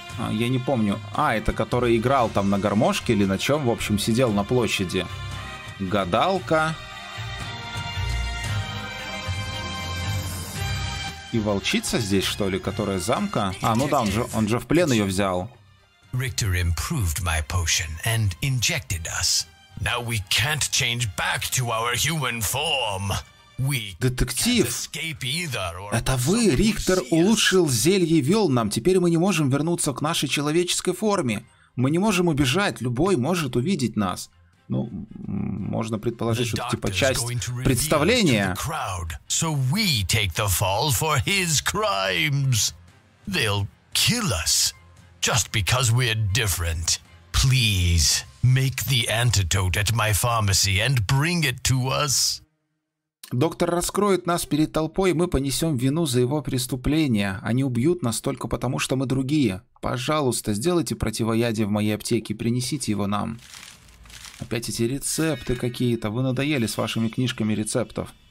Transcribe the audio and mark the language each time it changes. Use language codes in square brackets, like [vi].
[ru] Я не помню. А, это который играл там на гармошке или на чем. В общем, сидел на площади. Гадалка. И волчица здесь, что ли, которая замка. А, ну да, он же в плен ее взял. [en] Richter improved my potion and injected us. Now we can't change back to our human form. We Детектив! Can't escape either, or... [ru] Это вы, Richter, улучшил зелье и вел нам. Теперь мы не можем вернуться к нашей человеческой форме. Мы не можем убежать. Любой может увидеть нас. Ну, можно предположить, что это типа часть представления. [en] The doctor is going to reveal to the crowd, so we take the fall for his crimes. They'll kill us. Just because we're different. Please, make the antidote at my pharmacy and bring it to us. [ru] Доктор раскроет нас перед толпой, и мы понесем вину за его преступление. Они убьют нас только потому, что мы другие. Пожалуйста, сделайте противоядие в моей аптеке, принесите его нам. Опять эти рецепты какие-то. Вы надоели с вашими книжками рецептов.